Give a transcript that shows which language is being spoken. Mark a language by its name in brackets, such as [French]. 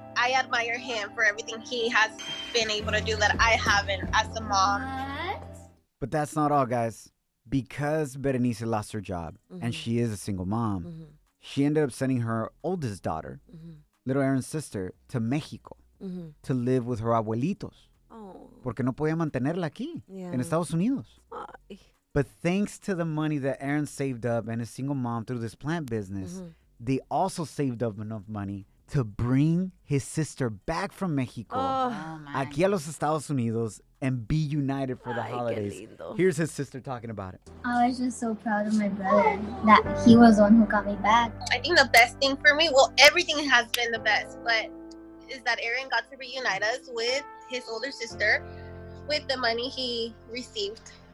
[English] I admire him for everything he has been able to do that I haven't as a mom. What? But that's not all, guys. Because Berenice lost her job, mm-hmm. and she is a single mom, mm-hmm. she ended up sending her oldest daughter, mm-hmm. little Aaron's sister, to Mexico mm-hmm. to live with her abuelitos. Oh. [Spanish] Porque no podía mantenerla aquí, [English] yeah. [Spanish] en Estados Unidos. Ay. [English] But thanks to the money that Aaron saved up and his single mom through this plant business, mm-hmm. they also saved up enough money to bring his sister back from Mexico oh. [Spanish] aquí a los Estados Unidos [English] and be united for the Ay, holidays. Here's his sister talking about it. I was just so proud of my brother that he was the one who got me back. I think the best thing for me, well, everything has been the best, but is that Aaron got to reunite us with his older sister with the money he received.